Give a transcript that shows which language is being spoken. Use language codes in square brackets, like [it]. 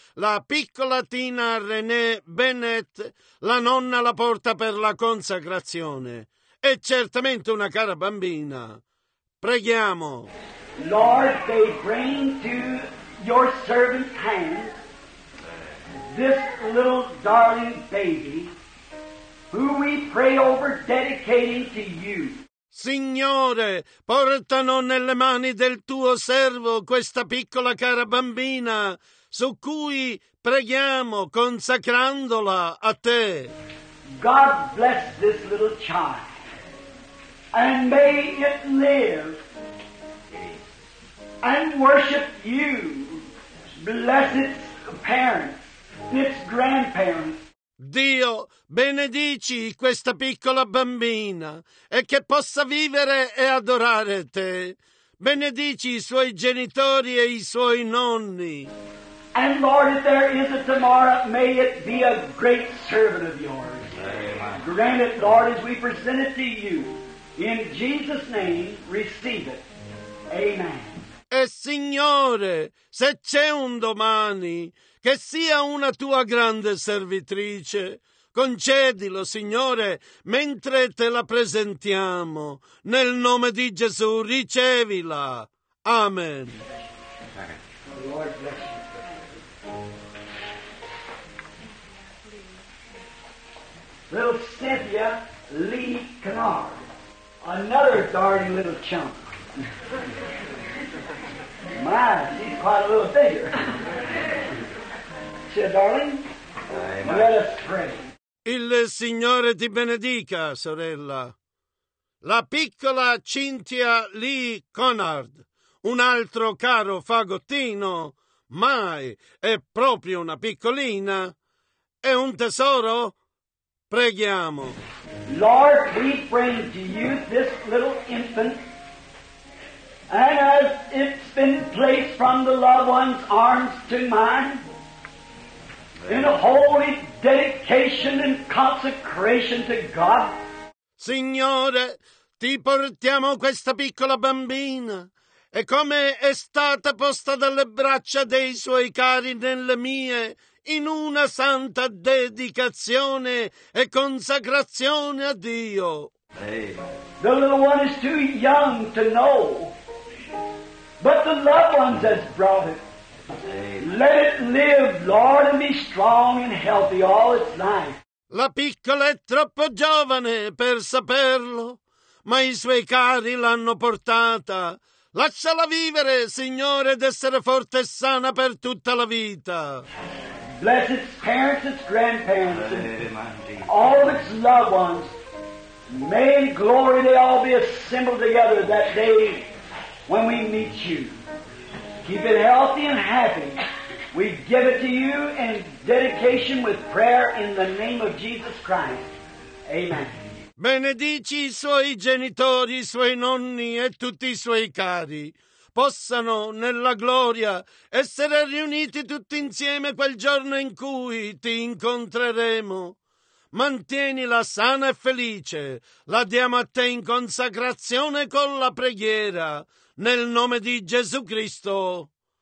[it] La piccola Tina Renee Bennett, la nonna la porta per la consacrazione. È certamente una cara bambina. Preghiamo. [en] Lord, they bring to your servant's hands this little darling baby who we pray over dedicating to you. [it] Signore, portano nelle mani del tuo servo questa piccola cara bambina su cui preghiamo consacrandola a te. [en] God bless this little child and may it live and worship you, bless its parents, its grandparents. [it] Dio, benedici questa piccola bambina e che possa vivere e adorare te. Benedici i suoi genitori e i suoi nonni. [en] And Lord, if there is a tomorrow, may it be a great servant of yours. Amen. Grant it, Lord, as we present it to you. In Jesus' name, receive it. Amen. [it] E Signore, se c'è un domani, che sia una tua grande servitrice. Concedilo, Signore, mentre te la presentiamo. Nel nome di Gesù, ricevila. Amen. [en] Little Cynthia Lee Kennard, another darling little chump. My, she's quite a little figure. She said, darling, let us pray. [it] Il Signore ti benedica, sorella. La piccola Cynthia Lee Kennard, un altro caro fagottino, mai è proprio una piccolina, è un tesoro. Preghiamo. [en] Lord, we bring to you this little infant, and as it's been placed from the loved one's arms to mine, in a holy dedication and consecration to God. [it] Signore, ti portiamo questa piccola bambina, e come è stata posta dalle braccia dei suoi cari nelle mie, in una santa dedicazione e consacrazione a Dio. Amen. [en] The little one is too young to know, but the loved ones has brought it. Let it live, Lord, and be strong and healthy all its life. [it] La piccola è troppo giovane per saperlo, ma i suoi cari l'hanno portata. Lasciala vivere, Signore, ed essere forte e sana per tutta la vita. [en] Bless its parents, its grandparents, all of its loved ones. May in glory they all be assembled together that day when we meet you. Keep it healthy and happy. We give it to you in dedication with prayer in the name of Jesus Christ. Amen. [it] Benedici i suoi genitori, i suoi nonni e tutti i suoi cari. Possano nella gloria essere riuniti tutti insieme quel giorno in cui ti incontreremo. Mantienila sana e felice, la diamo a te in consacrazione con la preghiera, nel nome di Gesù Cristo.